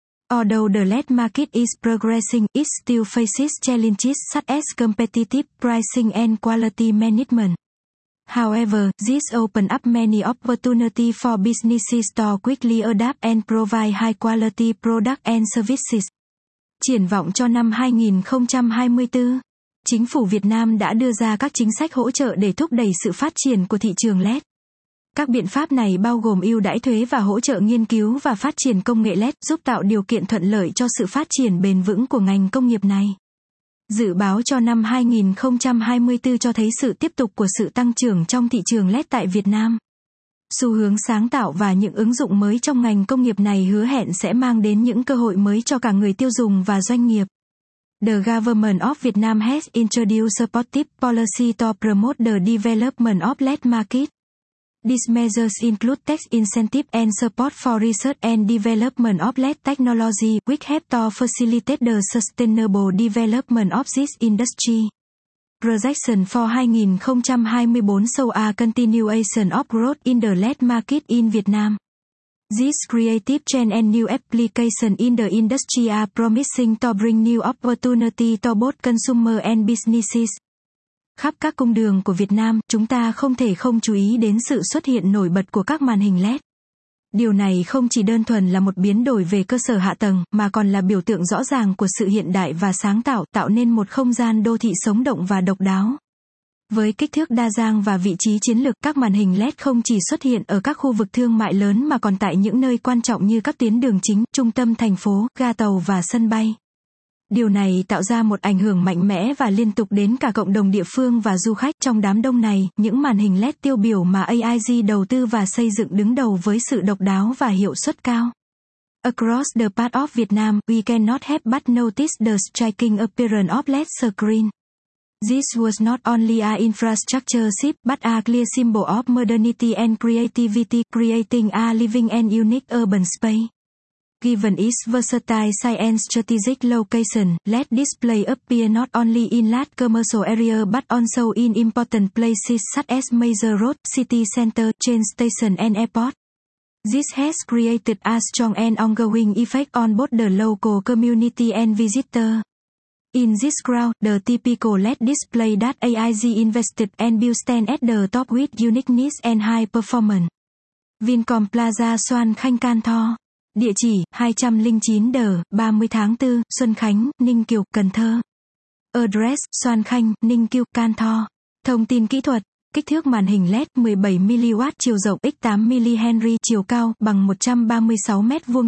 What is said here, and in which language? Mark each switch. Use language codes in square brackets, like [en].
[en] Although the LED market is progressing, it still faces challenges such as competitive pricing and quality management. However, this opens up many opportunities for businesses to quickly adapt and provide high-quality products and services. [vi] Triển vọng cho năm 2024. Chính phủ Việt Nam đã đưa ra các chính sách hỗ trợ để thúc đẩy sự phát triển của thị trường LED. Các biện pháp này bao gồm ưu đãi thuế và hỗ trợ nghiên cứu và phát triển công nghệ LED, giúp tạo điều kiện thuận lợi cho sự phát triển bền vững của ngành công nghiệp này. Dự báo cho năm 2024 cho thấy sự tiếp tục của sự tăng trưởng trong thị trường LED tại Việt Nam. Xu hướng sáng tạo và những ứng dụng mới trong ngành công nghiệp này hứa hẹn sẽ mang đến những cơ hội mới cho cả người tiêu dùng và doanh nghiệp. [en] The government of Vietnam has introduced supportive policy to promote the development of LED market. These measures include tax incentive and support for research and development of LED technology, which help to facilitate the sustainable development of this industry. Projection for 2024 show a continuation of growth in the LED market in Vietnam. This creative trend and new application in the industry are promising to bring new opportunity to both consumer and businesses. [vi] Khắp các cung đường của Việt Nam, chúng ta không thể không chú ý đến sự xuất hiện nổi bật của các màn hình LED. Điều này không chỉ đơn thuần là một biến đổi về cơ sở hạ tầng, mà còn là biểu tượng rõ ràng của sự hiện đại và sáng tạo, tạo nên một không gian đô thị sống động và độc đáo. Với kích thước đa dạng và vị trí chiến lược, các màn hình LED không chỉ xuất hiện ở các khu vực thương mại lớn mà còn tại những nơi quan trọng như các tuyến đường chính, trung tâm thành phố, ga tàu và sân bay. Điều này tạo ra một ảnh hưởng mạnh mẽ và liên tục đến cả cộng đồng địa phương và du khách. Trong đám đông này, những màn hình LED tiêu biểu mà AIG đầu tư và xây dựng đứng đầu với sự độc đáo và hiệu suất cao. [en] Across the part of Vietnam, we cannot help but notice the striking appearance of LED screen. This was not only a infrastructure ship, but a clear symbol of modernity and creativity, creating a living and unique urban space. Given its versatile size and strategic location, LED display appear not only in large commercial area but also in important places such as major roads, city center, train station and airport. This has created a strong and ongoing effect on both the local community and visitor. In this crowd, the typical LED display that AIG invested and built stand at the top with uniqueness and high performance. Vincom Plaza Xuân Khanh Can Tho. [vi] Địa chỉ 209 Đờ, 30 tháng 4, Xuân Khánh, Ninh Kiều, Cần Thơ. [en] Address, Xuân Khanh, Ninh Kiều, Can Tho. [vi] Thông tin kỹ thuật. Kích thước màn hình LED 17mW, chiều rộng x8mH, chiều cao bằng 136m2.